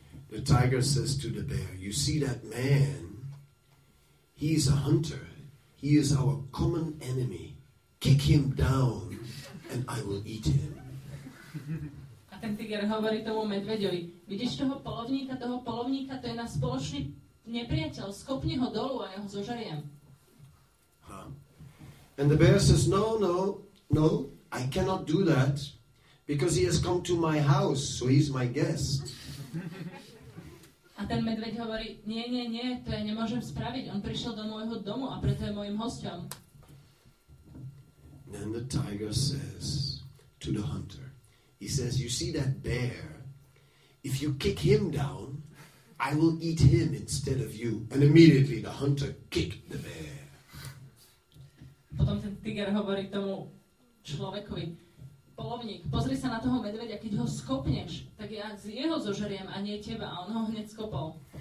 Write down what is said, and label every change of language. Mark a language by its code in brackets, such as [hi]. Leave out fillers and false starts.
[en] The tiger says to the bear, "You see that man? He's a hunter. He is our common enemy. Kick him down and I will eat him." [sk] A ten tiger hovorí tomu medveďovi, vidíš toho polovníka, to je náš spoločný nepriateľ, skopni ho dolu a ja ho zožeriem. Huh. [en] And the bear says, no, I cannot do that because he has come to my house, so he's my guest. [sk] A ten medveď hovorí, nie, to ja nemôžem spraviť. On prišiel do môjho domu a preto je môjim hosťom. [en] Then the tiger says to the hunter, he says, you see that bear? If you kick him down, I will eat him instead of you. And immediately the hunter kicked the bear. [sk] Potom ten tiger hovorí tomu človekovi, polovník, pozri sa na toho medveďa, keď ho skopneš, tak ja z jeho zožeriem a nie teba, a on ho hneď skopol.